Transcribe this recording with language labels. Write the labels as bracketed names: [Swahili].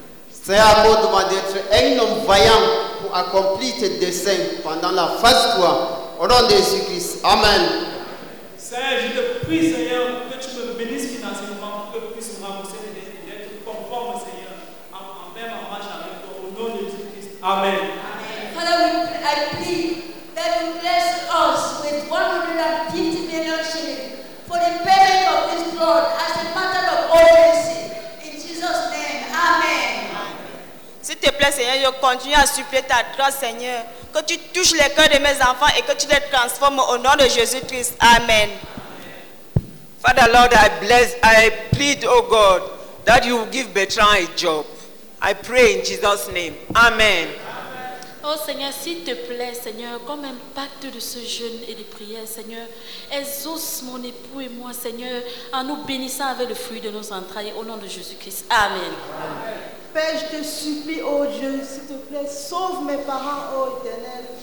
[French] Seigneur, accorde-moi d'être un homme vaillant pour accomplir tes desseins pendant la phase 3. Au nom de Jésus-Christ. Amen. Seigneur, je te prie, Seigneur, que tu me bénisse financièrement pour que je puisse rembourser les dettes et être conforme, Seigneur, en même en marche avec toi, au nom de Jésus-Christ. Amen. [English] Father, we pray, I pray that you bless us with 150 million shillings for the payment of this loan as a matter of urgency. In Jesus' name, amen. [French] S'il te plaît, Seigneur, je continue à supplier ta grâce, Seigneur, que tu touches les cœurs de mes enfants et que tu les transformes au nom de Jésus-Christ. Amen. [English] Father, Lord, I plead, O God, that you give Bertrand a job. I pray in Jesus' name. Amen. [French] Oh Seigneur, s'il te plaît, Seigneur, comme impact de ce jeûne et de prière, Seigneur, exauce mon époux et moi, Seigneur, en nous bénissant avec le fruit de nos entrailles, au nom de Jésus-Christ. Amen. Père, je te supplie, oh Dieu, s'il te plaît, sauve mes parents, oh Éternel.